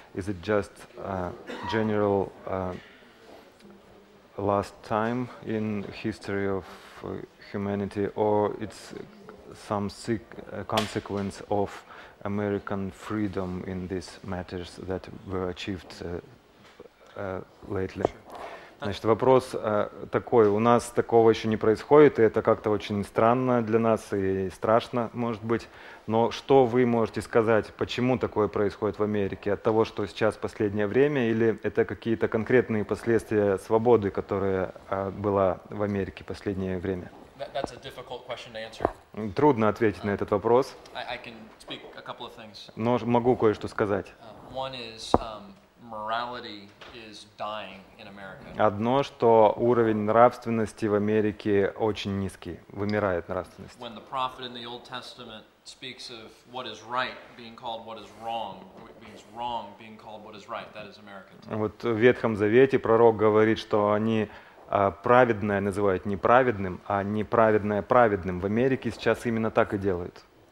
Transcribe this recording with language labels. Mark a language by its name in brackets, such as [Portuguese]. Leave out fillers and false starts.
[English] Is it just general last time in history of humanity, or it's some sick consequence of American freedom in these matters that were achieved lately. [Russian] Значит, вопрос такой, у нас такого еще не происходит, и это как-то очень странно для нас и страшно, может быть, но что вы можете сказать, почему такое происходит в Америке, от того, что сейчас последнее время, или это какие-то конкретные последствия свободы, которая была в Америке последнее время? [English] That's a difficult question to answer. [Russian] Трудно ответить на этот вопрос, [English] I can speak a couple of things. [Russian] Но могу кое-что сказать. [English] One is, morality is dying in America. [Russian] Одно, что уровень нравственности в Америке очень низкий, вымирает нравственность. [English] When the prophet in the Old Testament speaks of what is right being called what is wrong, it means wrong being called what is right. That is American. [Russian] Вот в Ветхом Завете пророк говорит, что они праведное называют неправедным, а неправедное праведным. В Америке сейчас именно так и делают.